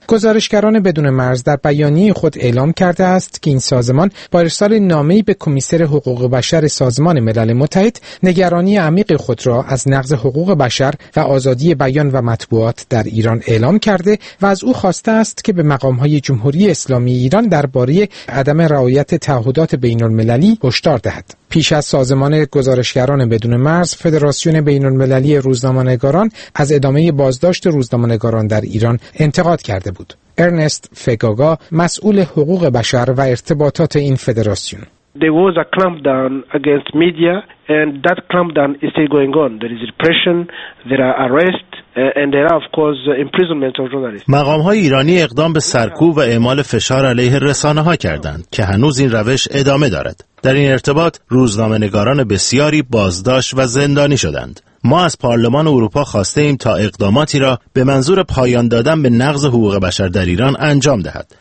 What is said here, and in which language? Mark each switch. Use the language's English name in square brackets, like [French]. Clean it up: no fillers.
[Persian] گزارشگران بدون مرز در بیانیه خود اعلام کرده است که این سازمان با ارسال نامه‌ای به کمیسر حقوق بشر سازمان ملل متحد، نگرانی عمیق خود را از نقض حقوق بشر و آزادی بیان و مطبوعات در ایران اعلام کرده و از او خواسته است که به مقام‌های جمهوری اسلامی ایران درباره عدم رعایت تعهدات بین‌المللی هشدار دهد. پیش از سازمان گزارشگران بدون مرز، فدراسیون بین‌المللی روزنامه‌نگاران از ادامه بازداشت روزنامه‌نگاران در ایران انتقاد کرده بود. ارنست فگاگا، مسئول حقوق بشر و ارتباطات این فدراسیون: [English] There was a clampdown against media and that clampdown is still going on. There is repression, there are arrests and there are of course imprisonment of journalists. [Persian] مقام‌های ایرانی اقدام به سرکوب و اعمال فشار علیه رسانه‌ها کردند که هنوز این روش ادامه دارد. در این ارتباط روزنامه‌نگاران بسیاری بازداشت و زندانی شدند. ما از پارلمان اروپا خواسته ایم تا اقداماتی را به منظور پایان دادن به نقض حقوق بشر در ایران انجام دهد.